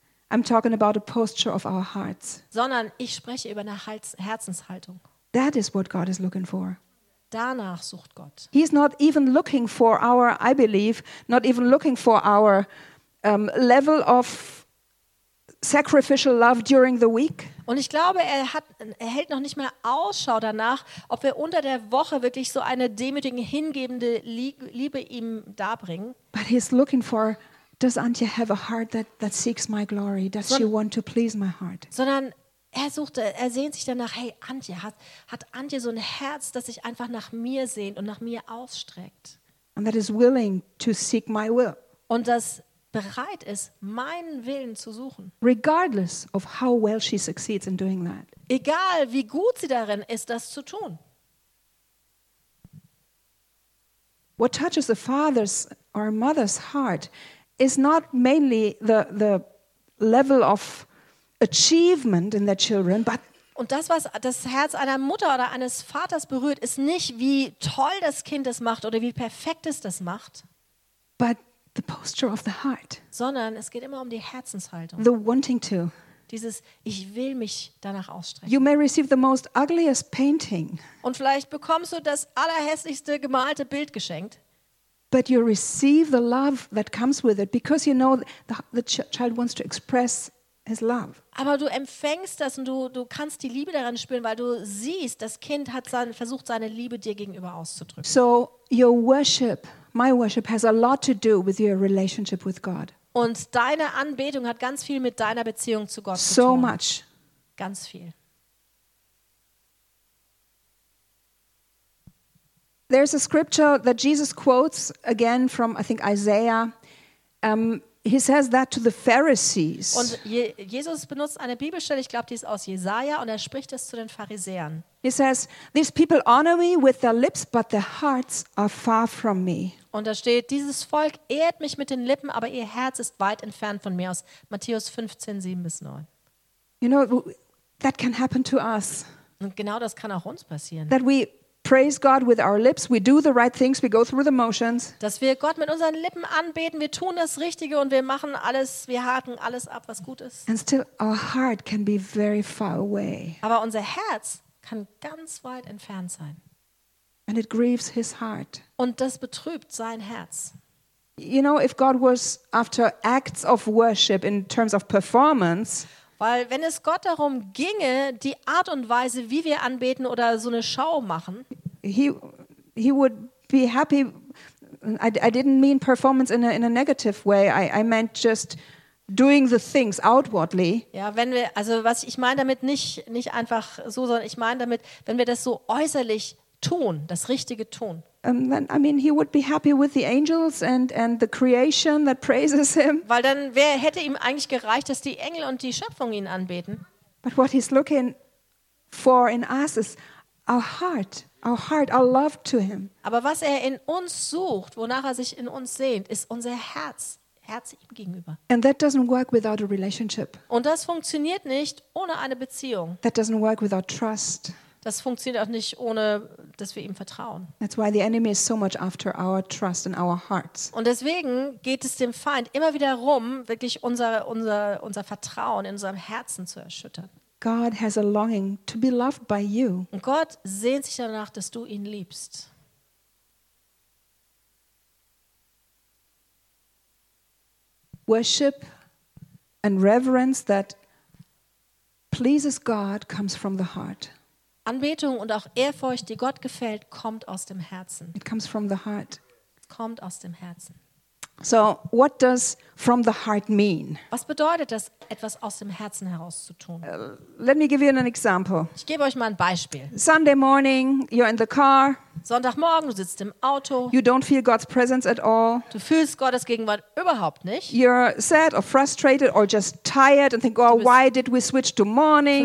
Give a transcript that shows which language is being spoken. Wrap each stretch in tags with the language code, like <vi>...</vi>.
<en>I'm talking about a posture of our hearts.</en> <de>Sondern ich spreche über eine Herzenshaltung.</de> <en>That is what God is looking for.</en> <de>Danach sucht Gott.</de> <en>He is not even looking for our, I believe, not even looking for our level of sacrificial love during the week.</en> <de>Und ich glaube, er hält noch nicht mehr Ausschau danach, ob wir unter der Woche wirklich so eine demütige, hingebende Liebe ihm darbringen.</de> <en>But he's looking for, does Antje have a heart that seeks my glory? Does she want to please my heart?</en> <de>Sondern er sehnt sich danach, hey Antje, hat Antje so ein Herz, das sich einfach nach mir sehnt und nach mir ausstreckt?</de> <en>And that is willing to seek my will.</en> <de>Und das bereit ist, meinen Willen zu suchen.</de> <en>Regardless of how well she succeeds in doing that.</en> <de>Egal, wie gut sie darin ist, das zu tun.</de> <en>What touches a father's or a mother's heart is not mainly the level of achievement in their children, but</en> <de>und das, was das Herz einer Mutter oder eines Vaters berührt, ist nicht, wie toll das Kind es macht oder wie perfekt es das macht.</de> <en>But the posture of the heart.</en> <de>Sondern es geht immer um die Herzenshaltung.</de> <en>The wanting to.</en> <de>Dieses, ich will mich danach ausstrecken.</de> <en>You may receive the most ugliest painting.</en> <de>Und vielleicht bekommst du das allerhässlichste gemalte Bild geschenkt.</de> <en>But you receive the love that comes with it, because you know the child wants to express his love.</en> <de>Aber du empfängst das und du kannst die Liebe daran spüren, weil du siehst, das Kind hat versucht, seine Liebe dir gegenüber auszudrücken.</de> <en>So your worship My worship has a lot to do with your relationship with God.</en> <de>Und deine Anbetung hat ganz viel mit deiner Beziehung zu Gott zu tun.</de> <en>So much.</en> <de>Ganz viel.</de> <en>There's a scripture that Jesus quotes again from, I think, Isaiah. He says that to the Pharisees.</en> <de>Und Jesus benutzt eine Bibelstelle, ich glaube, die ist aus Jesaja, und er spricht es zu den Pharisäern.</de> <en>He says, these people honor me with their lips, but their hearts are far from me.</en> <de>Und da steht, dieses Volk ehrt mich mit den Lippen, aber ihr Herz ist weit entfernt von mir, aus Matthäus 15, 7 bis 9.</de> <en>You know, that can happen to us.</en> <de>Und genau das kann auch uns passieren.</de> <en>That we praise God with our lips, we do the right things, we go through the motions.</en> <de>Dass wir Gott mit unseren Lippen anbeten, wir tun das Richtige und wir machen alles, wir haken alles ab, was gut ist.</de> <en>And still our heart can be very far away.</en> <de>Aber unser Herz kann ganz weit entfernt sein.</de> <en>And it grieves his heart.</en> <de>Und das betrübt sein Herz.</de> <en>You know, if God was after acts of worship in terms of performance,</en> <de>weil wenn es Gott darum ginge, die Art und Weise, wie wir anbeten oder so eine Show machen,</de> <en>he would be happy. I didn't mean performance in a negative way. I meant just doing the things outwardly.</en> <de>Ja, wenn wir, also was ich meine damit nicht einfach so, sondern ich meine damit, wenn wir das so äußerlich tun, das Richtige tun.</de> <en>Then, I mean, he would be happy with the angels and the creation that praises him.</en> <de>Weil dann hätte ihm eigentlich gereicht, dass die Engel und die Schöpfung ihn anbeten.</de> <en>But what he's looking for in us is our heart, our love to him.</en> <de>Aber was er in uns sucht, wonach er sich in uns sehnt, ist unser Herz ihm gegenüber.</de> <en>And that doesn't work without a relationship.</en> <de>Und das funktioniert nicht ohne eine Beziehung.</de> <en>That doesn't work without trust.</en> <de>Das funktioniert auch nicht ohne, dass wir ihm vertrauen.</de> <en>That's why the enemy is so much after our trust and our hearts.</en> <de>Und deswegen geht es dem Feind immer wieder rum, wirklich unser Vertrauen in unserem Herzen zu erschüttern.</de> <en>God has a longing to be loved by you.</en> <de>Und Gott sehnt sich danach, dass du ihn liebst.</de> <en>Worship and reverence that pleases God comes from the heart.</en> <de>Anbetung und auch Ehrfurcht, die Gott gefällt, kommt aus dem Herzen.</de> <en>It comes from the heart.</en> <de>Kommt aus dem Herzen.</de> <en>So, what does from the heart mean?</en> <de>Was bedeutet das, etwas aus dem Herzen heraus zu tun?</de> <en>Let me give you an example.</en> <de>Ich gebe euch mal ein Beispiel.</de> <en>Sunday morning, you're in the car.</en> <de>Sonntagmorgen, du sitzt im Auto.</de> <en>You don't feel God's presence at all.</en> <de>Du fühlst Gottes Gegenwart überhaupt nicht.</de> <en>You're sad or frustrated or just tired and think, oh, why did we switch to mornings?</en>